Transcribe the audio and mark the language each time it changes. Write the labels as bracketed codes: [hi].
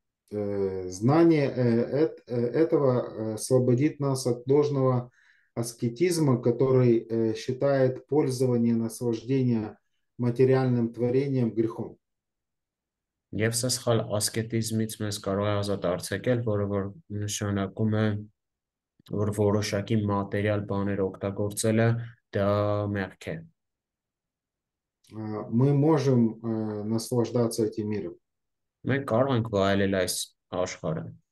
[ru] Знание этого освободит нас от ложного аскетизма, который считает пользование наслаждения материальным творением грехом. [hy] Եվ սա սխալ ասկետիզմից մեզ կարող է ազատ արձակել, որը որ նշանակում է, որ որոշակի մատերիալ բաներ օգտագործելը դա մեղք է։ [ru] Мы можем наслаждаться этим миром. [hy] Մենք կարող ենք վայելել այս աշխարհը։